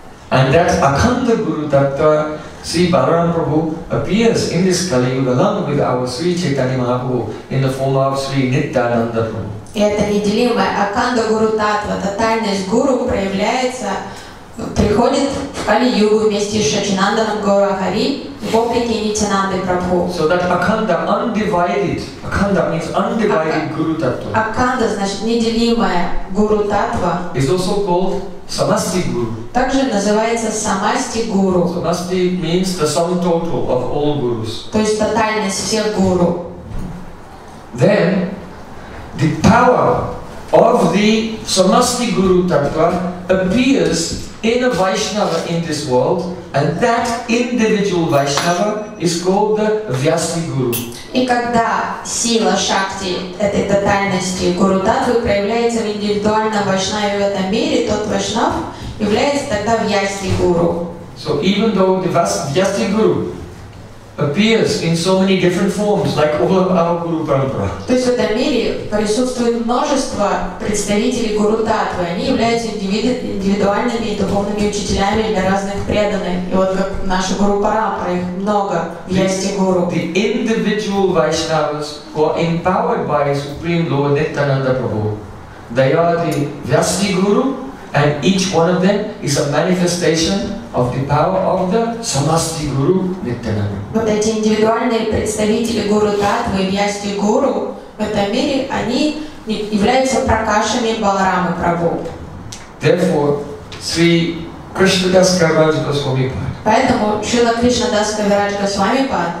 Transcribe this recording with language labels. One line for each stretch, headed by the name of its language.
English: And that Akhanda Guru Tattva, Sri Balaram Prabhu, appears in this Kali Yuga along with our Sri Chaitanya Mahaprabhu in the form of Sri Nityananda Prabhu.
Russian: Это неделимое Akhanda Guru Tattva, тотальность Гуру проявляется, приходит в Кали-Югу вместе с Шачинанданом Гора Хари в облике Нитянанды Прабху.
English: So that Akhanda, undivided. Akhanda means undivided Guru Tattva.
Russian: Akhanda значит неделимая Guru Tattva.
English: Is also called Samasti Guru.
Russian: Также называется Самасти Гуру.
English: Samasti means the sum total of all Gurus.
Russian: То есть тотальность всех Гуру.
English: Then, the power of the Samasti Guru Tattva appears in a Vaishnava in this world, and that individual Vaishnava is called the Vyasti Guru.
Russian: И когда сила Шакти этой тотальности Гуру Таттвы проявляется в индивидуальном Вайшнаве в этом мире, тот Вайшнав является тогда Вьясти Гуру.
English: So even though the Vyasti Guru appears in so many different forms, like all of our Guru Parampara.
Russian: То есть в этом мире присутствует множество представителей Гуру Таттвы. Они являются индивидуальными и духовными учителями для разных преданных. И вот как наши Гуру Парампара, их много, есть и Гуру.
English: The individual Vaishnavas who are empowered by Supreme Lord Nityananda Prabhu, They are the Vyasaji Guru, and each one of them is a manifestation of the power of the Samasti Guru Nityananda.
Russian: Вот эти индивидуальные представители Гуру Таттвы, Вьясти Гуру в этом мире, они являются пракашами Баларамы Прабху.
English: Therefore, Sri Krishna Das Kaviraj Goswamipad.
Russian: Поэтому Шрила Кришна Дас Кавираджа Госвами Госвамипад.